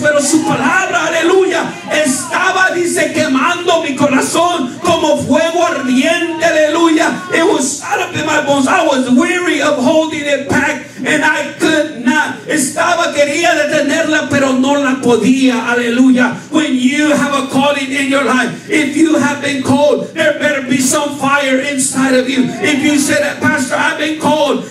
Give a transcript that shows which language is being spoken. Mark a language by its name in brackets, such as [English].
[Spanish] Pero su palabra, aleluya, estaba, dice, quemando mi corazón como fuego ardiente, aleluya. [English] It was shut up in my bones. I was weary of holding it back and I could not. [Spanish] Estaba, quería detenerla, pero no la podía, aleluya. [English] When you have a calling in your life, if you have been called, there better be some fire inside of you. If you say that, Pastor, I've been called.